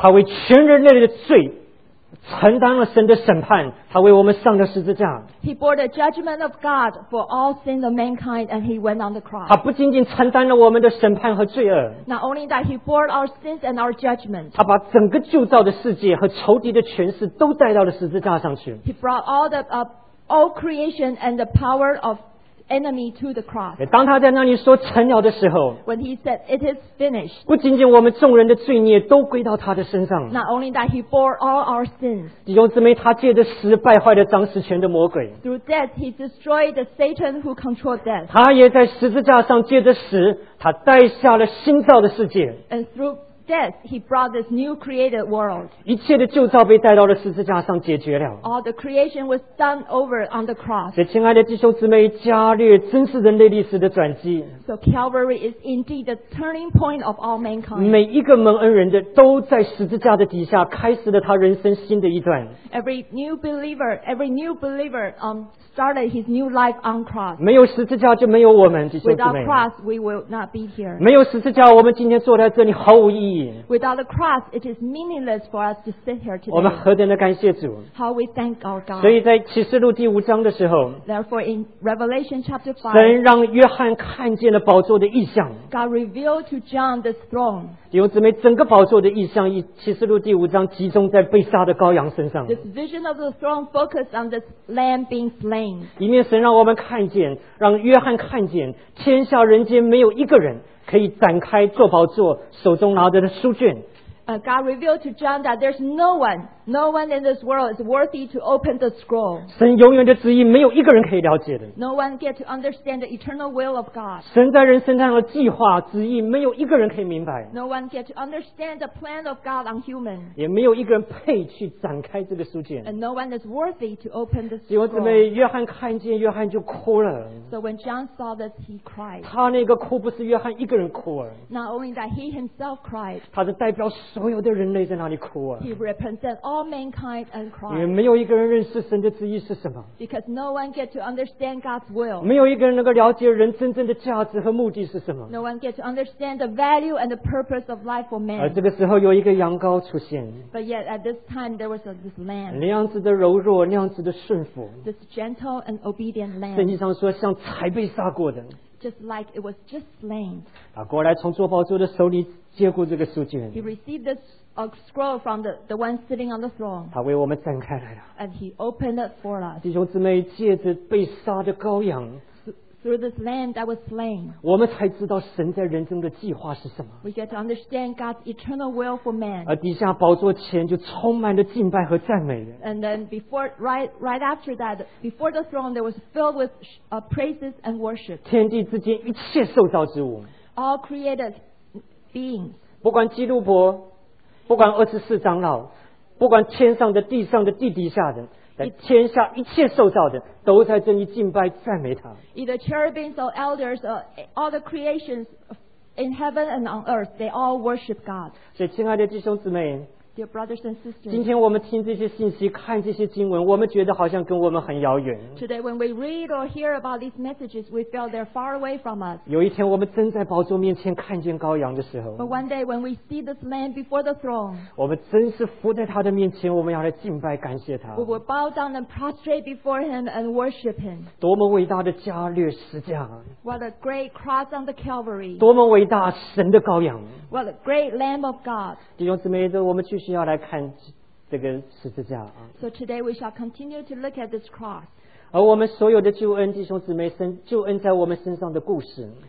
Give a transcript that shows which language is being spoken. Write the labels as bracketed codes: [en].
[zh] 他为全人类的罪。承担了神的审判，他为我们上了十字架。 [en] He bore the judgment of God for all sins of mankind, and he went on the cross. [zh] 他不仅仅承担了我们的审判和罪恶。 [en] Not only that, he bore our sins and our judgment. [zh] 他把整个旧造的世界和仇敌的权势都带到了十字架上去。 [en] He brought all the all creation and the power of enemy to the cross. [zh] 当他在那里说成了的时候 [en] ，When he said it is finished， [zh] 不仅仅我们众人的罪孽都归到他的身上。 [en] Not only that, he bore all our sins. [zh] 弟兄姊妹，他借着死败坏了掌死权的魔鬼。 [en] Through death, he destroyed the Satan who controlled death. [zh] 他也在十字架上借着死，他带下了新造的世界。 [en] And through death, he brought this new created world. [zh] 一切的旧造被带到了十字架上解决了。 [en] All the creation was done over on the cross. [zh] 所以，亲爱的弟兄姊妹，加略真是人类历史的转机。 [en] So Calvary is indeed the turning point of all mankind. [zh] 每一个蒙恩人的都在十字架的底下开始了他人生新的一段。 [en] Every new believer, started his new life on cross. [zh] 没有十字架就没有我们，弟兄姊妹。 [en] Without cross, we will not be here. [zh] 没有十字架，我们今天坐在这里毫无意义。 [en] Without the cross, it is meaningless for us to sit here today. [zh] 我们何等的感谢主。 [en] How we thank our God. [zh] 所以在启示录第五章的时候 [en] ，Therefore in Revelation chapter 5, [zh] 神让约翰看见了宝座的异象。 [en] God revealed to John the throne. [zh] 弟兄姊妹，整个宝座的异象，启示录第五章集中在被杀的羔羊身上。 [en] This vision of the throne focused on this lamb being slain. [zh] 一面神让我们看见，让约翰看见，天下人间没有一个人。可以展开坐宝座手中拿着的书卷。 [en] God revealed to John that there's no one in this world is worthy to open the scroll. [zh] 神永远的旨意没有一个人可以了解的。 [en] No one get to understand the eternal will of God. [zh] 神在人身上的计划旨意没有一个人可以明白。 [en] No one get to understand the plan of God on human. [zh] 也没有一个人配去展开这个书卷。 [en] And no one is worthy to open the scroll. [zh] 弟兄姊妹，约翰看见，约翰就哭了。 [en] So when John saw this, he cried. [zh] 他那个哭不是约翰一个人哭啊。 [en] Not only that, he himself cried. [zh] 他是代表所有的人类在那里哭啊。 [en] He represents all mankind and cry. [zh] 也没有一个人认识神的旨意是什么。 [en] Because no one gets to understand God's will. [zh] 没有一个人能够了解人真正的价值和目的是什么。 [en] No one gets to understand the value and the purpose of life for man. [zh] 而这个时候有一个羊羔出现。 [en] But yet at this time there was this lamb. [zh] 那样子的柔弱，那样子的顺服。 [en] This gentle and obedient lamb. [zh] 圣经上说像才被杀过的。 [en] Just like it was just slain. [zh] 把过来从做宝座的手里。接过这个书卷 [en] He received this scroll from the one sitting on the throne. [zh] 他为我们展开来了 [en] And he opened it for us. [zh] 弟兄姊妹，借着被杀的羔羊 [en] Through this lamb that was slain. [zh] 我们才知道神在人生的计划是什么 [en] We get to understand God's eternal will for man. [zh] 而底下宝座前就充满了敬拜和赞美 [en] And then before, right after that, before the throne, there was filled with praises and worship. [zh] 天地之间一切受造之物 [en] All created. Beings. [zh] 不管基督伯不管二十四长老不管天上的地上的地底下的在天下一切受造的都在这里敬拜赞美他 [en] Either cherubims or elders or all the creations in heaven and on earth they all worship God [zh] 所以亲爱的弟兄姊妹 [en] Dear brothers and sisters [zh] 今天我们听这些信息看这些经文我们觉得好像跟我们很遥远 [en] Today when we read or hear about these messages we feel they're far away from us [zh] 有一天我们真在宝座面前看见羔羊的时候 [en] But one day when we see this lamb before the throne [zh] 我们真是伏在他的面前我们要来敬拜感谢他 [en] We will bow down and prostrate before him and worship him [zh] 多么伟大的加略十架 [en] What a great cross on the Calvary [zh] 多么伟大神的羔羊 [en] What a great lamb of God [zh] 弟兄姊妹我们继续要来看这个十字架 [en] So today we shall continue to look at this cross [zh] 而我们所有的救恩弟兄姊妹救恩在我们身上的故事